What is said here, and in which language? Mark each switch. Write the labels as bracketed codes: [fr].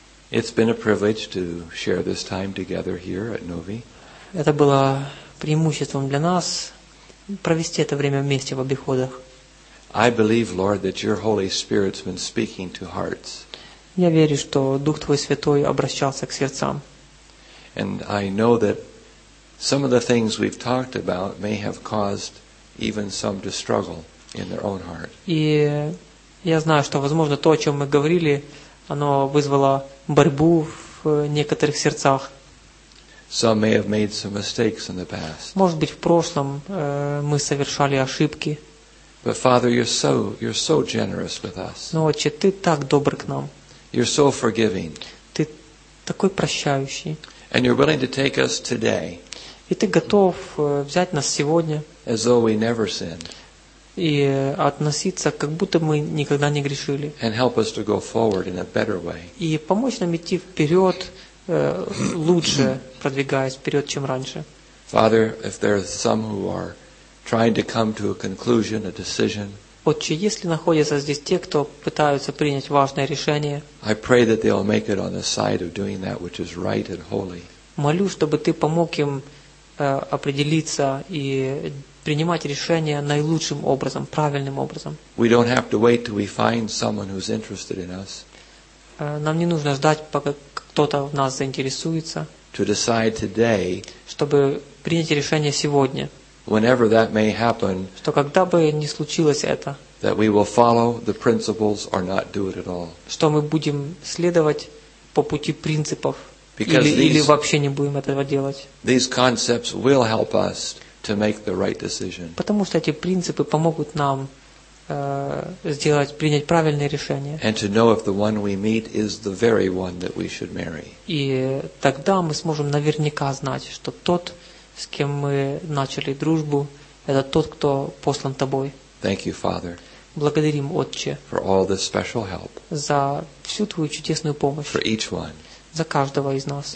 [en] it's been a privilege to share this time together here at Novi. [ru] Это было преимуществом для нас провести это время вместе в обиходах. [en] I believe, Lord, that Your Holy Spirit's been speaking to hearts. [ru] Я верю, что Дух Твой Святой обращался к сердцам. [en] And I know that some of the things we've talked about may have caused even some to struggle in their own heart. [ru] И я знаю, что, возможно, то, о чем мы говорили, оно вызвало борьбу в некоторых сердцах. [en] Some may have made some mistakes in the past. [ru] Может быть, в прошлом мы совершали ошибки. [en] But Father, you're so generous with us. [ru] Но Отче, Ты так добр к нам. [en] You're so forgiving. [ru] Ты такой прощающий. [en] And you're willing to take us today. [ru] И Ты готов взять нас сегодня. [en] As though we never sinned. [ru] И относиться, как будто мы никогда не грешили. [en] And help us to go forward in a better way. [ru] И помочь нам идти вперед, лучше продвигаясь вперед, чем раньше. [en] Father, if there are some who are trying to come to a conclusion, a decision, [ru] Отче, если находятся здесь те, кто пытаются принять важное решение, [en] I pray that they will make it on the side of doing that which is right and holy. [ru] Молю, чтобы Ты помог им определиться и принимать решение наилучшим образом, правильным образом. [en] We don't have to wait till we find someone who's interested in us. [ru] Нам не нужно ждать, пока кто-то в нас заинтересуется. [en] To decide today. [ru] Чтобы принять решение сегодня. [en] Whenever that may happen. [ru] Что когда бы ни случилось это. [en] That we will follow the principles or not do it at all. [ru] Что мы будем следовать по пути принципов. Или вообще не будем этого делать. [en] These concepts will help us to make the right decision. [ru] Потому что эти принципы помогут нам сделать, принять правильное решение. [en] And to know if the one we meet is the very one that we should marry. [ru] И тогда мы сможем наверняка знать, что тот, с кем мы начали дружбу, это тот, кто послан тобой. [en] Thank you, Father. [ru] Благодарим, Отче, [en] for all this special help. [ru] За всю твою чудесную помощь. [en] For each one. [ru] За каждого из нас.